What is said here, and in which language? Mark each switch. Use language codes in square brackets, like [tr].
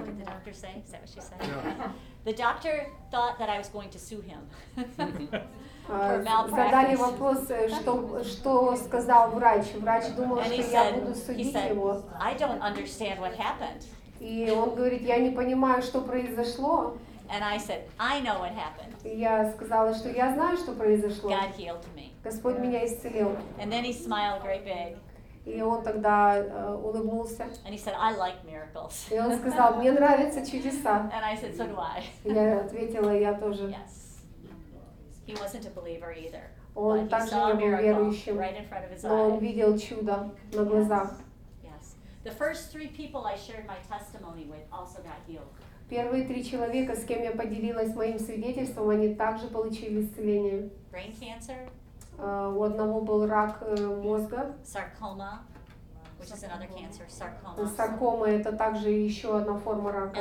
[en] what did the doctor say? Is that what she said? The doctor thought that I was going to sue him. [ru] Задали вопрос, что сказал врач. Врач думал, что я буду судить его. [en] I don't understand what happened. [ru] И он говорит, я не понимаю, что произошло. [en] And I said, I know what happened. [ru] Я сказала, что я знаю, что произошло. [en] God healed me. [ru] Господь меня исцелил. [en] And then he smiled great big. [ru] И он тогда улыбнулся. [en] And he said, I like miracles. [ru] И он сказал, мне нравятся чудеса. [en] And I said, so do I. [ru] Я ответила, я тоже. [en] Yes. He wasn't a believer either. [ru] Он также не был верующим. [en] Right in front of his eyes. [ru] Но он видел чудо на глазах. [en] Yes. The first 3 people I shared my testimony with also got healed. [ru] Первые 3 человека, с кем я поделилась моим свидетельством, они также получили исцеление. [en] Brain cancer. [ru] У одного был рак мозга. [en] Sarcoma, which is another cancer. Sarcoma. [ru] Саркома это также еще одна форма рака.